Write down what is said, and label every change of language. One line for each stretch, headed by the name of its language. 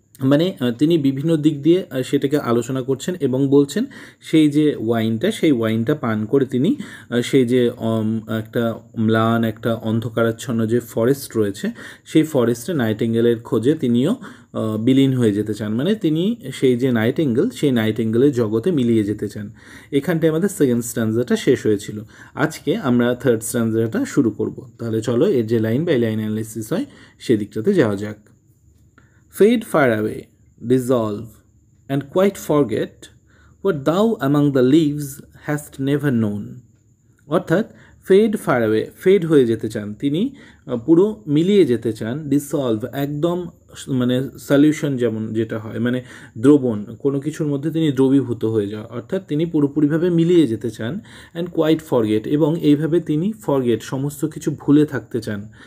Bangla: মানে তিনি বিভিন্ন দিক দিয়ে সেটাকে আলোচনা করছেন এবং বলছেন সেই যে ওয়াইনটা, সেই ওয়াইনটা পান করে তিনি সেই যে একটা ম্লান একটা অন্ধকারাচ্ছন্ন যে ফরেস্ট রয়েছে, সেই ফরেস্টে নাইটিঙ্গেলের খোঁজে তিনিও বিলীন হয়ে যেতে চান। মানে তিনি সেই যে নাইটিঙ্গেল, সেই নাইটিঙ্গেলের জগতে মিলিয়ে যেতে চান। এখানটায় আমাদের সেকেন্ড স্ট্যান্জাটা শেষ হয়েছিল, আজকে আমরা থার্ড স্ট্যান্জাটা শুরু করব। তাহলে চলো এর যে লাইন বাই লাইন অ্যানালিসিস হয় সেদিকটাতে যাওয়া যাক।
English: Fade far away, dissolve, and quite forget what thou among the leaves hast never known.
Bangla: অর্থাৎ
English: fade far away,
Bangla: fade হয়ে যেতে চান তিনি, পুরো মিলিয়ে যেতে চান, dissolve একদম মানে সলিউশন যেমন যেটা হয়, মানে দ্রবণ, কোনো কিছুর মধ্যে তিনি দ্রবীভূত হয়ে যাওয়া, অর্থাৎ তিনি পুরোপুরিভাবে মিলিয়ে যেতে চান,
English: and quite forget,
Bangla: এবং এইভাবে তিনি ফরগেট সমস্ত কিছু ভুলে থাকতে চান।